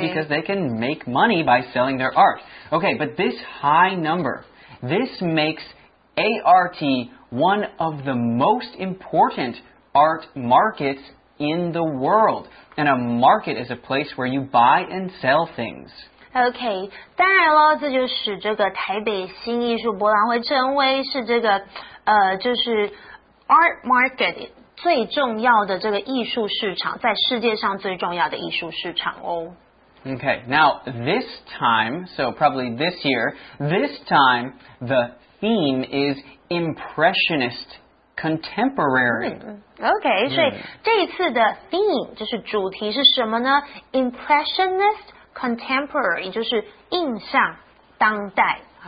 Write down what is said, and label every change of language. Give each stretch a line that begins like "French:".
English: Because they can make money by selling their art. Okay, but this high number, this makes ART one of the most important art markets in the world. And a market is a place where you buy and sell things.
Chinese: OK, 当然了，这就使这个台北新艺术博览会成为是这个就是 art market 最重要的这个艺术市场，在世界上最重要的艺术市场哦。
English: OK, now this time, so probably this year, this time the theme is impressionist contemporary.、
Chinese: Mm-hmm. OK,、mm. 所以这一次的 theme 就是主题是什么呢 ?Impressionist Contemporary, 就是印象当代、